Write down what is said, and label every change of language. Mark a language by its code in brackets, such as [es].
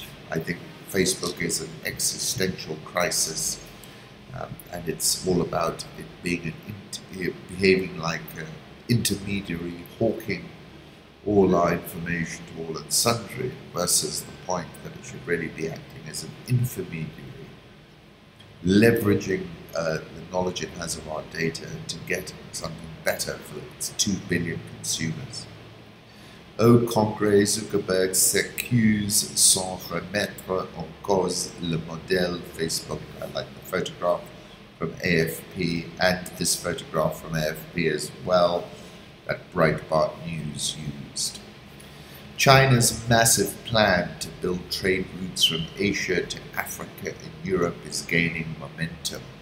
[en] I think Facebook is an existential crisis, and it's all about it being behaving like an intermediary, hawking all our information to all and sundry, versus the point that it should really be acting as an intermediary, leveraging the knowledge it has of our data to get something better for its 2 billion consumers. [fr] Au Congrès, Zuckerberg s'accuse sans remettre en cause le modèle Facebook. [en] I like the photograph from AFP and this photograph from AFP as well that Breitbart News used. China's massive plan to build trade routes from Asia to Africa and Europe is gaining momentum.